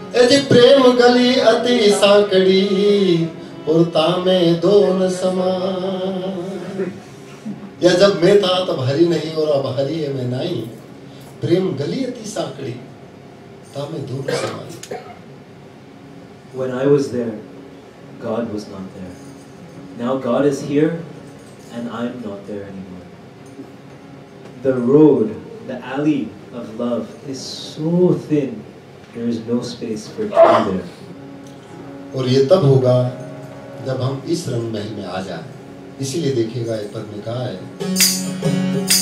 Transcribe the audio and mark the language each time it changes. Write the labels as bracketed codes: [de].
[hi] जी प्रेम गली अति साकड़ी और तामे दोन समान. या जब मैं था तब हरी नहीं और अब हरी है मैं नाई. प्रेम गली अति साकड़ी तामे दोन समान. [en] When I was there, God was not there. Now God is here and I'm not there anymore. The road, the alley of love is so thin. There is no space for two there. [hi] और ये तब होगा जब हम इस रंग महल में आ जाएं. इसीलिए देखिएगा एक पद में कहा है.